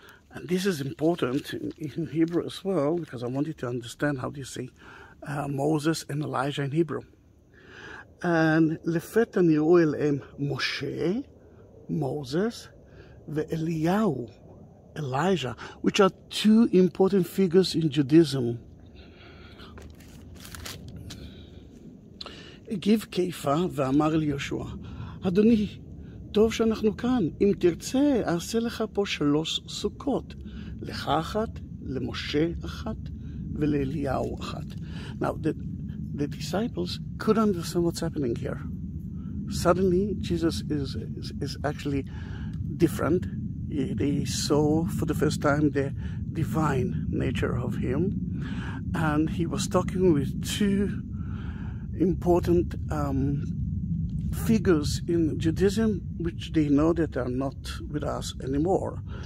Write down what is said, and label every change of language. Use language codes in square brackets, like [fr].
[en] And this is important in Hebrew as well, because I wanted to understand how they say Moses and Elijah in Hebrew. And lefet aniru elem Moshe, Moses, ve'eliyahu, Elijah, which are two important figures in Judaism. [he] הגיב קיפה ואמר לי יהושע, אדוני, טוב שאנחנו כאן. אם תרצה, אעשה לך פה שלוש סוכות. לך אחת, למשה אחת, ולאליהו אחת. [en] Now, the disciples could understand what's happening here. Suddenly, Jesus is actually different. They saw for the first time the divine nature of him. And he was talking with two important figures in Judaism, which they know that are not with us anymore.